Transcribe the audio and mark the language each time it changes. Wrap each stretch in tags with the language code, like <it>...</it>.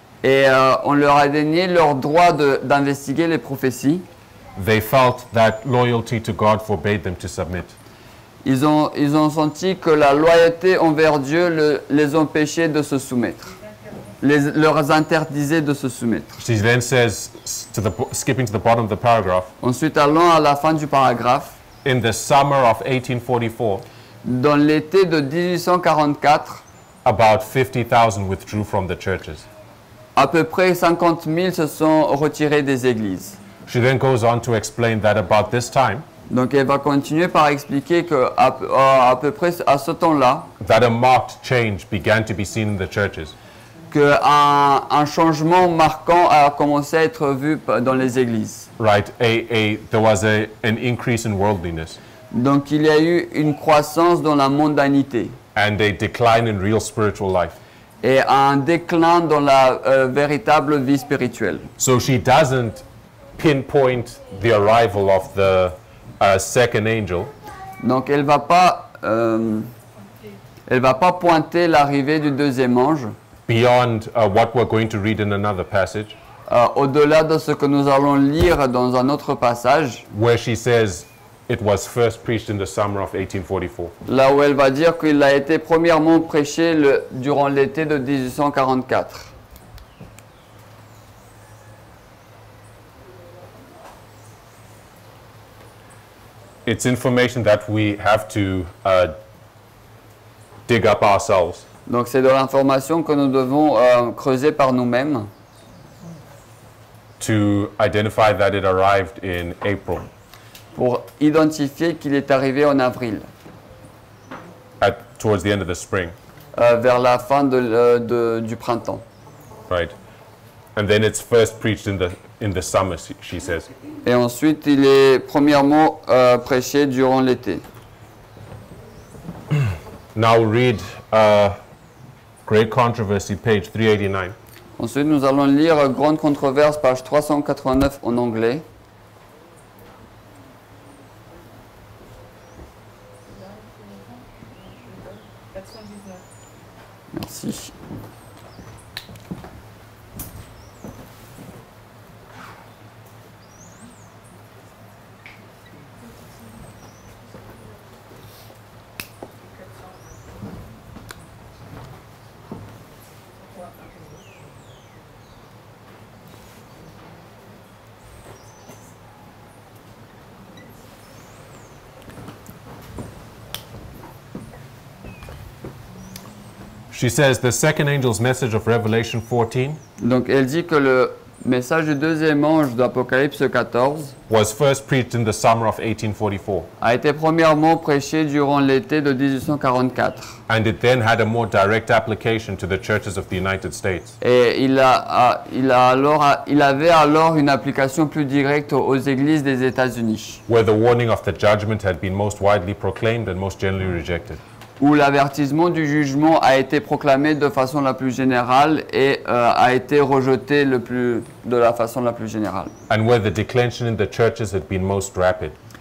<fr>et on leur a dénié leur droit d'investiguer les prophéties,</fr> <en>they felt that loyalty to God forbade them to submit.</en> <fr>Ils ont senti que la loyauté envers Dieu les empêchait de se soumettre, leur interdisait de se soumettre.</fr> <en>She then says, skipping to the bottom of the paragraph,</en> <fr>ensuite allons à la fin du paragraphe,</fr> <en>in the summer of 1844,</en> <fr>dans l'été de 1844,</fr> <en>about 50,000 withdrew from the churches.</en> <fr>À peu près 50,000 se sont retirés des églises.</fr> <en>She then goes on to explain that about this time,</en> <fr>donc elle va continuer par expliquer que à peu près à ce temps-là,</fr> <en>that a marked change began to be seen in the churches.</en> <fr>Que un changement marquant a commencé à être vu dans les églises.</fr> <en>Right, there was an increase in worldliness.</en> <fr>Donc il y a eu une croissance dans la mondanité.</fr> <en>And a decline in real spiritual life.</en> <fr>Et un déclin dans la véritable vie spirituelle.</fr> <en>So she doesn't pinpoint the arrival of the second angel.</en> <fr>Donc elle va pas pointer l'arrivée du deuxième ange.</fr> <en>Beyond what we're going to read in another passage.</en> <fr>Au-delà de ce que nous allons lire dans un autre passage.</fr> <en>Where she says, it was first preached in the summer of 1844.</en> <fr>Là où elle va dire qu'il a été premièrement prêché durant l'été de 1844.</fr> <en>It's information that we have to dig up ourselves.</en> <fr>Donc c'est de l'information que nous devons creuser par nous-mêmes.</fr> <en>To identify that it arrived in April.</en> <fr>Pour identifier qu'il est arrivé en avril.</fr> <en>Towards the end of the spring.</en> <fr>Vers la fin du printemps.</fr> <en>Right. And then it's first preached in the summer, she says.</en> <fr>Et ensuite, il est premièrement prêché durant l'été.</fr> <en>Now read Great Controversy, page 389.</en> <fr>Ensuite, nous allons lire Grande Controverse, page 389 en anglais. Merci.</fr> <en>She says the second angel's message of Revelation 14.</en> <fr>Donc elle dit que le message du deuxième ange d'Apocalypse 14</fr> <en>was first preached in the summer of 1844.</en> <fr>A été premièrement prêché durant l'été de 1844.</fr> <en>And it then had a more direct application to the churches of the United States.</en> <fr>Et il avait alors une application plus directe aux églises des États-Unis.</fr> <en>Where the warning of the judgment had been most widely proclaimed and most generally rejected.</en> <fr>Où l'avertissement du jugement a été proclamé de façon la plus générale et a été rejeté de la façon la plus générale.</fr> <en>And where the declension in the churches had been most rapid.</en>